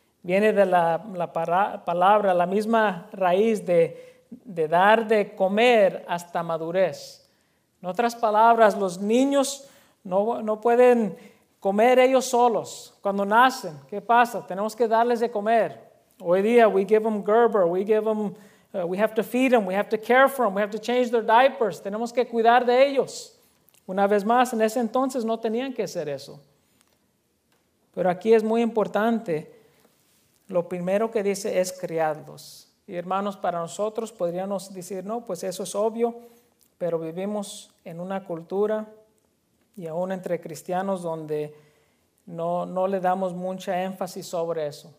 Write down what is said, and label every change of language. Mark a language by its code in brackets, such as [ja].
[es] Viene de la palabra, la misma raíz de dar de comer hasta madurez. En otras palabras, los niños no pueden comer ellos solos. Cuando nacen, ¿qué pasa? Tenemos que darles de comer. Hoy día, [en] we give them Gerber, we have to feed them, we have to care for them, we have to change their diapers. [es] Tenemos que cuidar de ellos. Una vez más, en ese entonces no tenían que hacer eso. Pero aquí es muy importante, lo primero que dice es criarlos. Y hermanos, para nosotros podríamos decir, no, pues eso es obvio, pero vivimos en una cultura y aún entre cristianos donde no le damos mucha énfasis sobre eso.